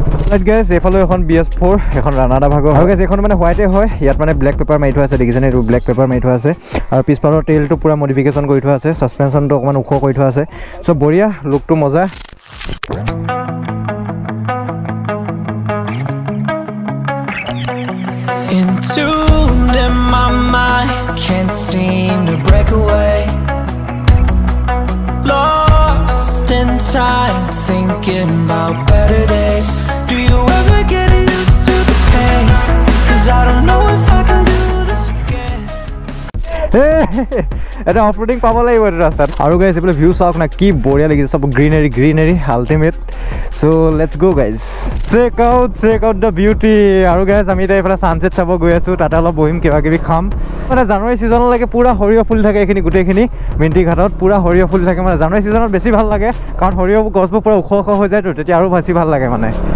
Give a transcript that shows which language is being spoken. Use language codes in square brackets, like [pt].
[as] Light guys এফালে এখন BS four এখন রানাডা ভাগ আর গাইজ এখন মানে হোয়াইটে হয় ইয়াত মানে ব্ল্যাক পেপার মারি থাকা আছে দেখিছেনে এই ব্ল্যাক পেপার মারি থাকা আছে আর পিছফালের টেল তো পুরা মডিফিকেশন করে থাকা আছে সাসপেনশন তো অকমান ওখ করে থাকা আছে সো বড়িয়া লুক তো মজা [en] Entombed in my mind, can't seem to break away. Lost in time, thinking about better days. Do you ever get used to the pain? 'Cause I don't know if I can do this again. [as] এটা off roading পাব লাগবে এই রাস্তাত আর guys এবার view চাওক না কি বড়িয়া লাগিছে সব greenery greenery ultimate [en] so let's go guys check out the beauty [as] are guys আমি এটা এইফালে সানসেট চাব গৈ আছো তাতে অল্প বহিম কিবা কিবি খাম মানে জানুয়ারি সিজনের লাগে পুরা সরিয়হ ফুল থাকে এইখানে গোটেখিনি মিন্টিঘাটত পুরা সরিয়হ ফুল থাকে মানে জানুয়ারি সিজনের বেশি ভাল লাগে কারণ সরিয়হ গছবোৰ পুরা ওখ ওখ হয়ে যায় তো আরো বেশি ভাল লাগে মানে